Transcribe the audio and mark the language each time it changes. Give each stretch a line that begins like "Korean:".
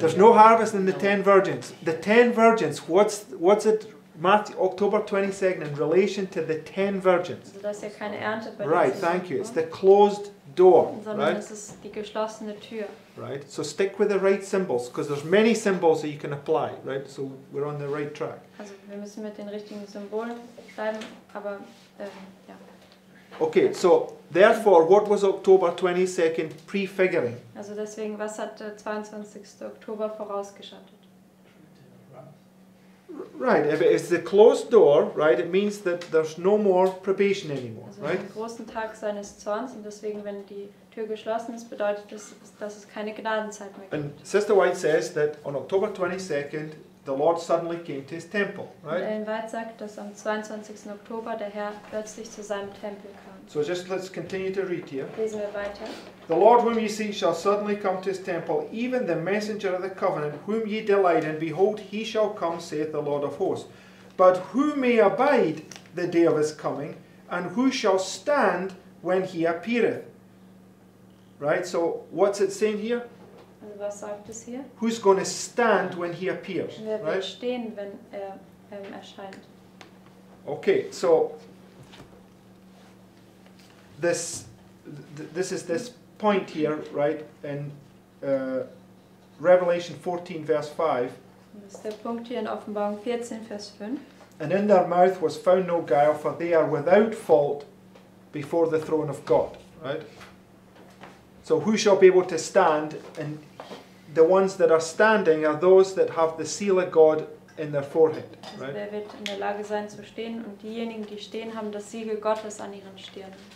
English: There's no harvest in the 10 virgins. The 10 virgins, what's it? Matthew, October 22nd, in relation to the 10 virgins.
German: Also, das ist ja keine Ernte bei
English: right, thank you. It's the closed door,
German: sondern
English: right?
German: Es ist die geschlossene Tür.
English: Right. So stick with the right symbols, because there's many symbols that you can apply, right? So we're on the right track.
German: Also wir müssen mit den richtigen Symbolen bleiben, aber ja.
English: Okay, so therefore, what was October 22nd prefiguring?
German: Also deswegen, was hat der 22. Oktober vorausgeschattet?
English: Right, if it's the closed door, right, it means that there's no more probation anymore,
German: also
English: right?
German: Also den großen Tag seines Zorns, und deswegen, wenn die Tür geschlossen ist, bedeutet das, dass es keine Gnadenzeit mehr gibt.
English: And Sister White says that on October 22nd, the Lord suddenly came to his temple, right?
German: Ellen White sagt, dass am 22. Oktober der Herr plötzlich zu seinem Tempel kam.
English: So just let's continue to read here.
German: Lesen wir weiter.
English: The Lord whom ye seek shall suddenly come to his temple, even the messenger of the covenant, whom ye delight in, behold, he shall come, saith the Lord of hosts. But who may abide the day of his coming, and who shall stand when he appeareth? Right, so what's it saying here?
German: Also was sagt es hier?
English: Who's going to stand when he appears?
German: Wer wird
English: right?
German: stehen, wenn er erscheint?
English: Okay, so this is this point here, right? In Revelation 14, verse 5.
German: Das ist der Punkt hier in Offenbarung 14, Vers 5.
English: And in their mouth was found no guile, for they are without fault before the throne of God. Right? So who shall be able to stand? And the ones that are standing are those that have the seal of God in their forehead. Right?
German: Also wer wird in der Lage sein zu stehen? Und diejenigen, die stehen, haben das Siegel Gottes an ihren Stirn.